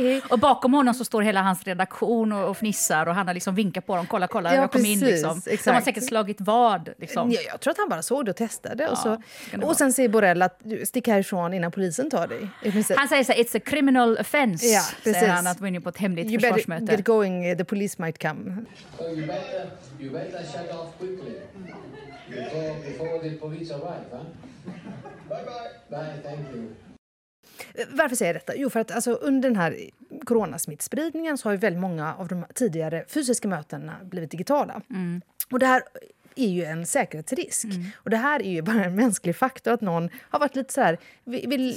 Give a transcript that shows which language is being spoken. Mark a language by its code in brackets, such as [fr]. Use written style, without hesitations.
[sv] Och bakom honom så står hela hans redaktion och fnissar och han har liksom vinkat på dem, kolla, ja, jag kom precis, in liksom. Exakt. De har säkert slagit vad liksom. Jag tror att han bara såg det och testade. Och, så. Och sen säger Borrell att stick härifrån innan polisen tar dig. Han säger så här, [en] it's a criminal offense. [sv] Ja, säger han att vi är inne på ett hemligt [en] you [sv] försvarsmöte. [en] You better get going, the police might come. So you better shut off quickly. Before the police arrive, huh? Bye bye. Bye, thank you. [sv] Varför säger jag detta? Jo, för att alltså, under den här coronasmittspridningen så har ju väldigt många av de tidigare fysiska mötena blivit digitala. Och det här är ju en säkerhetsrisk. Och det här är ju bara en mänsklig faktor att någon har varit lite så här, vill